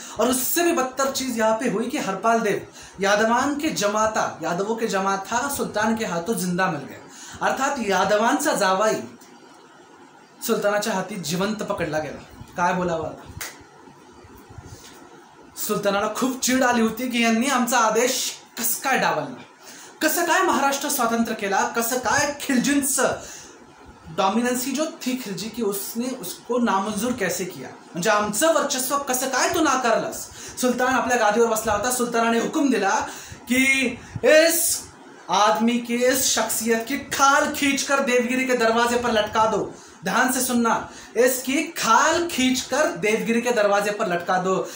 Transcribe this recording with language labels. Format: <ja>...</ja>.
<hi>और उससे भी बदतर चीज़ यहाँ पे हुई कि हरपाल देव यादवों के जमाता सुल्तान के हाथों जिंदा मिल गए,</hi> <mr>अर्थात यादवान सा जावाई सुल्तानाच्या हाथी जिवंत पकड़ला गेला। काय बोलावं आता, सुल्तानाला खूप चीड आली होती की यांनी आमचा आदेश कसं काय डावलला, कसं काय महाराष्ट्र स्वतंत्र केला, कसं काय खिलजींच डॉमिनन्सी</mr> <hi>जो थी खिलजी की उसने उसको नामंजूर कैसे किया,</hi> <mr>म्हणजे आमचं वर्चस्व कसं काय तू नाकारलंस। सुलतान आपल्या गादीवर बसला होता, सुलतानाने हुकुम दिला की</mr> <hi>इस आदमी के, इस शख्सियत की खाल खींच कर देवगिरी के दरवाजे पर लटका दो। ध्यान से सुनना, इसकी खाल खींच कर देवगिरी के दरवाजे पर लटका दो।</hi>